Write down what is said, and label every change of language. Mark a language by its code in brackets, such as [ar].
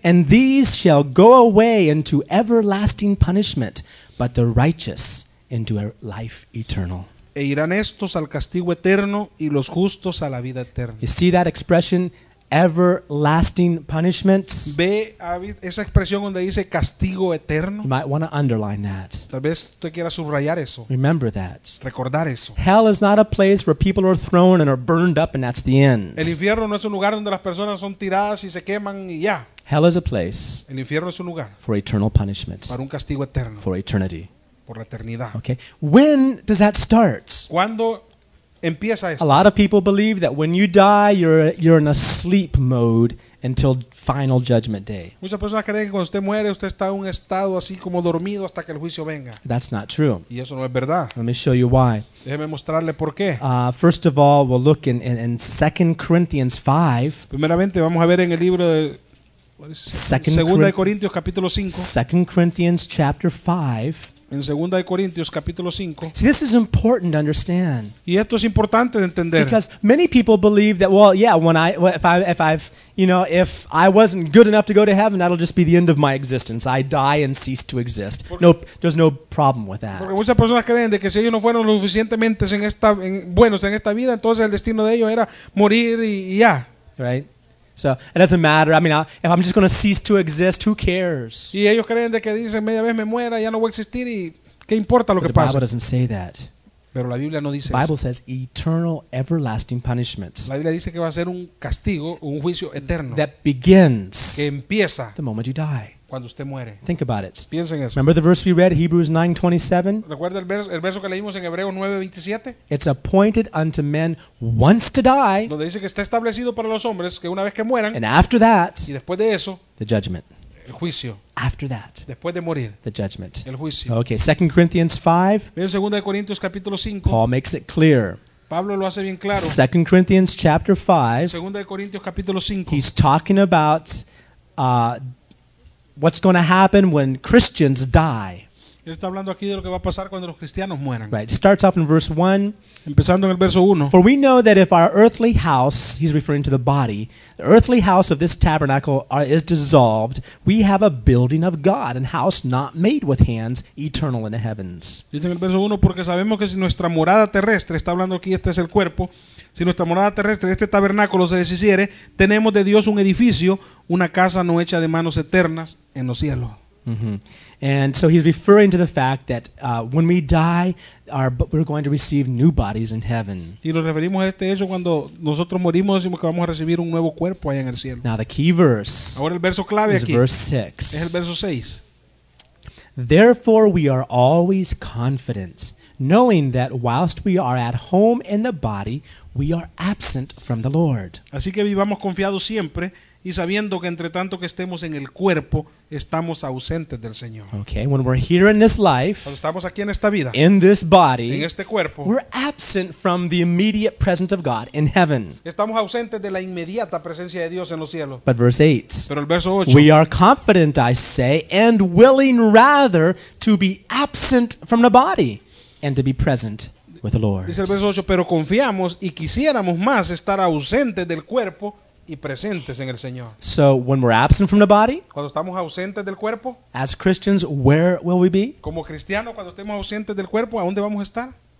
[en] And these shall go away into everlasting punishment, but the righteous into life eternal. [es] E irán estos al castigo eterno y los justos a la vida eterna. [en] You see that expression, everlasting punishment? [es] Ve esa expresión donde dice castigo eterno. [en] You might want to underline that. [es] Tal vez usted quiera subrayar eso. [en] Remember that. [es] Recordar eso. [en] Hell is not a place where people are thrown and are burned up and that's the end. [es] El infierno no es un lugar donde las personas son tiradas y se queman y ya. [en] Hell is a place. [es] El infierno es un lugar. [en] For eternal punishment. [es] Para un castigo eterno. [en] For eternity. [es] Por la eternidad. [en] Okay. When does that start? [es] ¿Cuándo empieza esto? [en] A lot of people believe that when you die, you're in a sleep mode until final judgment day. [es] Muchas personas creen que cuando usted muere, usted está en un estado así como dormido hasta que el juicio venga. [en] That's not true. [es] Y eso no es verdad. [en] Let me show you why. [es] Déjeme mostrarle por qué. [en] First of all, we'll look in 2 Corinthians 5. [es] Primeramente, vamos a ver en el libro de Segunda de Corintios capítulo 5. [en] 2 Corinthians chapter 5. [es] En Segunda de Corintios capítulo 5. [en] See, this is important to understand. [es] Y esto es importante de entender. [en] Because many people believe that, well, yeah, when I, if I, if I've, you know, if I wasn't good enough to go to heaven, that'll just be the end of my existence. I die and cease to exist. Nope, there's no problem with that. [es] Porque muchas personas creen de que si ellos no fueron lo suficientemente buenos en esta vida, entonces el destino de ellos era morir y ya. [en] Right. So it doesn't matter. I mean, if I'm just going to cease to exist, who cares? [es] Y ellos creen de que dicen media vez me muera, ya no voy a existir y qué importa lo que pase. [en] The Bible doesn't say that. [es] Pero la Biblia no dice. [en] The Bible [es] eso. [en] Says eternal, everlasting punishment. [es] La Biblia dice que va a ser un castigo, un juicio eterno. [en] That begins. [es] Que empieza. [en] The moment you die. [es] Cuando usted muere. [en] Think about it. [es] Piensa en eso. [en] Remember the verse we read, Hebrews 9:27. [es] Recuerda el verso que leímos en Hebreos 9:27. [en] It's appointed unto men once to die. [es] Donde dice que está establecido para los hombres que una vez que mueran. [en] And after that. [es] Y después de eso. [en] The judgment. [es] El juicio. [en] After that. [es] Después de morir. [en] The judgment. [es] El juicio. [en] Okay, 2 Corinthians 5. [es] Mira 2 Corintios capítulo 5. [en] Paul makes it clear. [es] Pablo lo hace bien claro. [en] 2 Corinthians chapter 5. [es] 2 Corintios capítulo 5. [en] He's talking about what's going to happen when Christians die. [es] Él está hablando aquí de lo que va a pasar cuando los cristianos mueran. [en] Right. It starts off in verse 1. [es] Empezando en el verso 1. [en] For we know that if our earthly house, he's referring to the body, the earthly house of this tabernacle is dissolved, we have a building of God, an house not made with hands, eternal in the heavens. [es] Dice en el verso 1, porque sabemos que si nuestra morada terrestre, está hablando aquí, este es el cuerpo, si nuestra morada terrestre, este tabernáculo se deshiciere, tenemos de Dios un edificio, una casa no hecha de manos eternas en los cielos. Mm-hmm. [en] And so he's referring to the fact that when we die, we're going to receive new bodies in heaven. [es] Y nos referimos a este hecho cuando nosotros morimos decimos que vamos a recibir un nuevo cuerpo allá en el cielo. [en] Now the key verse. [es] Ahora el verso clave [en] is [es] aquí. [en] Verse 6. [es] Es el verso 6. [en] Therefore we are always confident, knowing that whilst we are at home in the body, we are absent from the Lord. [es] Así que vivamos confiados siempre. Y sabiendo que entre tanto que estemos en el cuerpo, estamos ausentes del Señor. [en] Okay, when we're here in this life, [es] cuando estamos aquí en esta vida, [en] in this body, [es] en este cuerpo, [en] we're absent from the immediate presence of God in heaven. [es] Estamos ausentes de la inmediata presencia de Dios en los cielos. [en] But verse 8, [es] pero el verso 8, [en] we are confident, I say, and willing rather to be absent from the body and to be present with the Lord. [es] Dice el verso 8, pero confiamos y quisiéramos más estar ausentes del cuerpo y presentes en el Señor. [en] So when we're absent from the body, [es] cuando estamos ausentes del cuerpo, [en] as Christians, where will we be? [es] Como cristianos, cuando estemos ausentes del cuerpo, ¿a dónde vamos a estar?